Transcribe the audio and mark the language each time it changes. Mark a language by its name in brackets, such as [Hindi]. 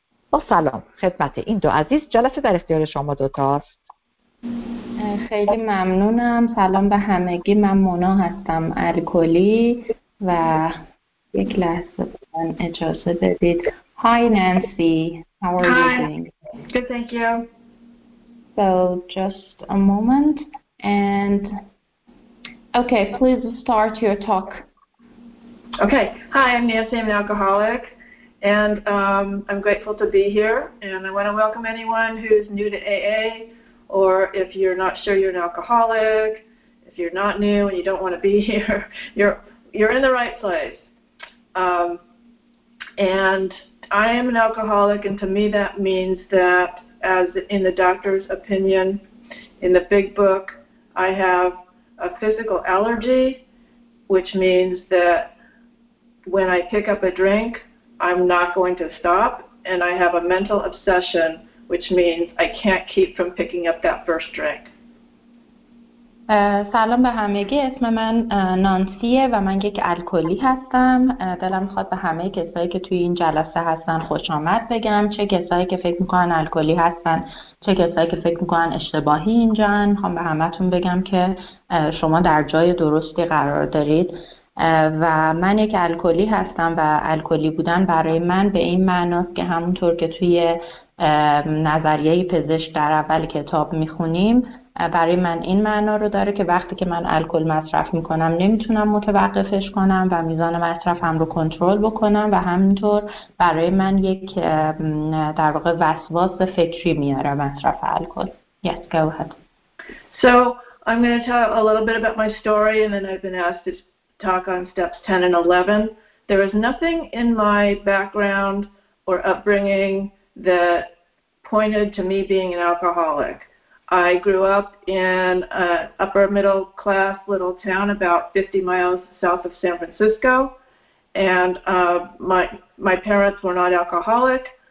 [Persian] با سلام خدمت این دو عزیز، جلسه در اختیار شما دوتاست. خیلی ممنونم. سلام به همگی، من مونا هستم الکلی و یک لحظه من اجازه بدید. [English] Hi Nancy, how are Hi. you doing? Good, thank you. So just a moment and okay, please start your talk. Okay, hi, I'm Nancy, I'm an alcoholic and I'm grateful to be here and I want to welcome anyone who's new to AA. Or if you're not sure you're an alcoholic, if you're not new and you don't want to be here, you're in the right place. And I am an alcoholic, and to me that means that, as in the doctor's opinion, in the big book, I have a physical allergy, which means that when I pick up a drink, I'm not going to stop, and I have a mental obsession, which means I can't keep from picking up that first drink. [Persian] سلام به همگی، اسم من نانسیه و من یک الکلی هستم. دلم میخواد به همه کسایی که توی این جلسه هستن خوش آمد بگم، چه کسایی که فکر میکنن الکلی هستن، چه کسایی که فکر میکنن اشتباهی اینجان. میخوام به همه تون بگم که شما در جای درستی قرار دارید و من یک الکلی هستم و الکلی بودن برای من به این معناست که همونطور که توی نظریه پزشک در اول کتاب میخونیم، برای من این معنا رو داره که وقتی که من الکل مصرف میکنم نمیتونم متوقفش کنم و میزان مصرفم رو کنترل بکنم و همینطور برای من یک در واقع وسواس فکری میاره مصرف الکل. [English] Yes, go ahead. So I'm going to tell a little bit about my story and then I've been asked to talk on steps 10 and 11. There is nothing in my background or upbringing that pointed to me being an alcoholic. I grew up in an upper middle class little town about 50 miles south of San Francisco, and my parents were not alcoholic.